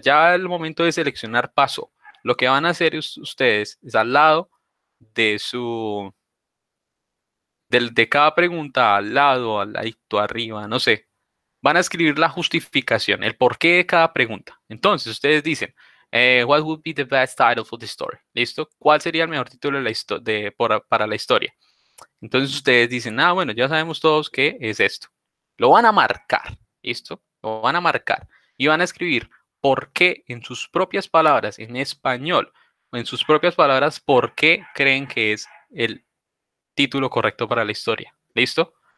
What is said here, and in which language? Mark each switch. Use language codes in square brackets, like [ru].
[es] Ya al momento de seleccionar paso, lo que van a hacer ustedes es al lado de su... De cada pregunta, al lado, al ladito, arriba, no sé. Van a escribir la justificación, el porqué de cada pregunta. Entonces, ustedes dicen, [en] what would be the best title for the story? [es] ¿Listo? ¿Cuál sería el mejor título de para la historia? Entonces, ustedes dicen, ah, bueno, ya sabemos todos qué es esto. Lo van a marcar, ¿listo? Lo van a marcar. Y van a escribir por qué en sus propias palabras, en español, en sus propias palabras, por qué creen que es el título correcto para la historia. ¿Listo?